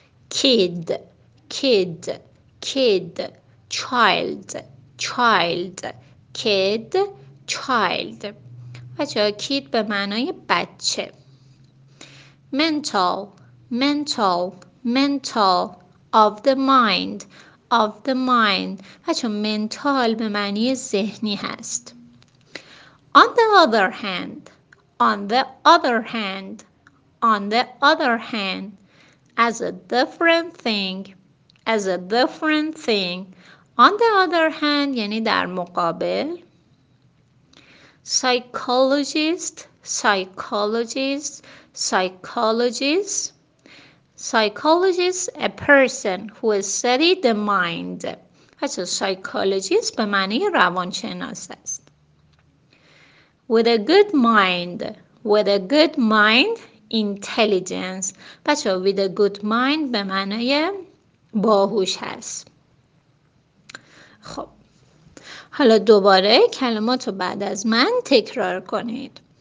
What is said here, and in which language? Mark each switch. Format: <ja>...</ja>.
<en>Kid. Kid. Kid. Child. Child. Kid. Child.</en> <fa>بچه kid به معنای بچه.</fa> <en>Mental. Mental. Mental. Of the mind. Of the mind.</en> <fa>بچه mental به معنی ذهنی هست.</fa> <en>On the other hand, on the other hand, on the other hand, as a different thing, as a different thing, on the other hand,</en> <fa>یعنی در مقابل.</fa> <en>Psychologist, psychologist, psychologist, psychologist, a person who has studied the mind. That's a psychologist</en> <fa>به معنی روانشناس است.</fa> <en>With a good mind, with a good mind, intelligence.</en> <fa>بچه</fa> <en>with a good mind</en> <fa>به معنی باهوش هست. خب حالا دوباره کلماتو بعد از من تکرار کنید.</fa>